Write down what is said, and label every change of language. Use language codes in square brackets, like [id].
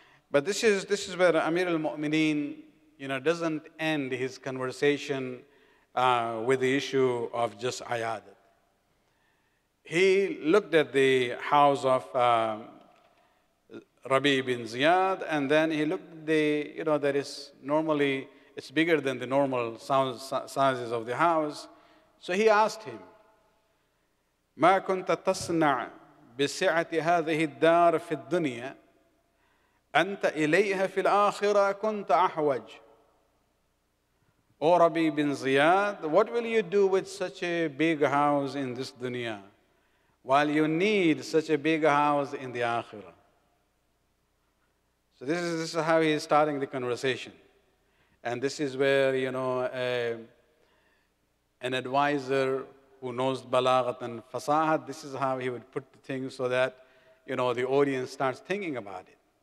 [en] But this is where Amir al-Mu'mineen, you know, doesn't end his conversation with the issue of just ayadat. He looked at the house of Rabi ibn Ziyad, and then he looked at the, you know, that is normally, it's bigger than the normal sizes of the house. So he asked him, [ar] ما كنت تصنع بسعة هذه الدار في الدنيا أنت إليها في الآخرة كنت أحوج. [en] O Rabi ibn Ziyad, what will you do with such a big house in this dunya while you need such a big house in the akhirah? So this is how he is starting the conversation. And this is where, you know, an advisor who knows balaghat and fasahat, this is how he would put the thing so that, you know, the audience starts thinking about it.